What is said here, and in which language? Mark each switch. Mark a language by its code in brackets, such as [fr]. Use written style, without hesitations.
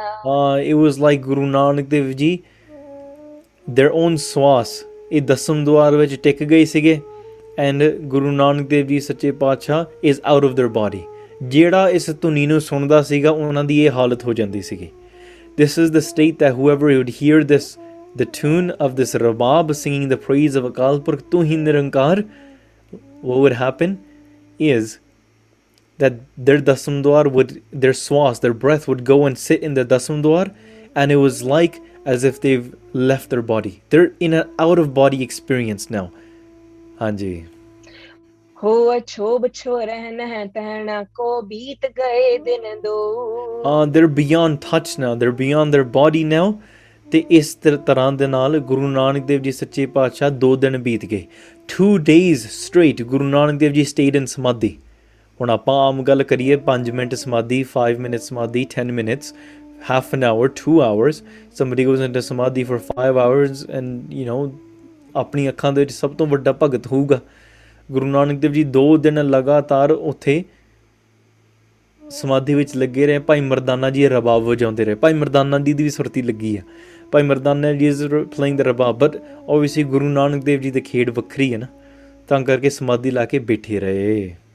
[pa] ਹਾਂ, [en] it was like [pa] Guru Nanak Dev ji [en] their own [pa] ਸਵਾਸ ਇਹ ਦਸਮ ਦੁਆਰ ਵਿੱਚ ਟਿਕ ਗਏ ਸੀਗੇ. [en] And Guru Nanak Dev ji ਸੱਚੇ ਪਾਤਸ਼ਾਹ is out of the body. [pa] ਜਿਹੜਾ ਇਸ ਧੁਨੀ ਨੂੰ ਸੁਣਦਾ ਸੀਗਾ ਉਹਨਾਂ ਦੀ ਇਹ ਹਾਲਤ ਹੋ ਜਾਂਦੀ ਸੀਗੀ. [en] This is the state that whoever would hear this, the tune of this rabab singing the praise of Akal Purakh Tu Hi Nirankar, what would happen is that their dasamdwar would, their swas, their breath would go and sit in the dasamdwar, and it was like as if they've left their body. They're in an out of body experience now. Hanji. [bra] हो अछोब छो रहन है तहना को बीत गए दिन दो. [en] They're beyond touch now, they're beyond their body now. [pa] ਤੇ ਇਸ ਤਰ੍ਹਾਂ ਦੇ ਨਾਲ ਗੁਰੂ ਨਾਨਕ ਦੇਵ ਜੀ ਸੱਚੇ ਪਾਤਸ਼ਾਹ ਦੋ ਦਿਨ ਬੀਤ ਗਏ. [en] 2 days straight Guru Nanak Dev Ji stayed in Samadhi. [pa] ਹੁਣ ਆਪਾਂ ਆਮ ਗੱਲ ਕਰੀਏ 5 ਮਿੰਟ ਸਮਾਧੀ 5 ਮਿੰਟ ਸਮਾਧੀ 10 [en] minutes half an hour 2 hours summary goes into samadhi for 5 hours and you know [pa] ਆਪਣੀ ਅੱਖਾਂ ਦੇ ਵਿੱਚ ਸਭ ਤੋਂ ਵੱਡਾ ਭਗਤ ਹੋਊਗਾ ਗੁਰੂ ਨਾਨਕ ਦੇਵ ਜੀ 2 ਦਿਨ ਲਗਾਤਾਰ ਉੱਥੇ ਸਮਾਧੀ ਵਿੱਚ ਲੱਗੇ ਰਹੇ ਭਾਈ ਮਰਦਾਨਾ ਜੀ ਰਬਾਬ ਵਜਾਉਂਦੇ ਰਹੇ ਭਾਈ ਮਰਦਾਨਾ ਜੀ ਦੀ ਵੀ ਸੁਰਤੀ ਲੱਗੀ ਆ ਭਾਈ Mardana ji [en] is playing the rabab but obviously [pa] Guru Nanak Dev ji ਦੀ ਖੇਡ ਵੱਖਰੀ ਹੈ ਨਾ ਤਾਂ ਕਰਕੇ ਸਮਾਧੀ ਲਾ ਕੇ ਬੈਠੇ ਰਹੇ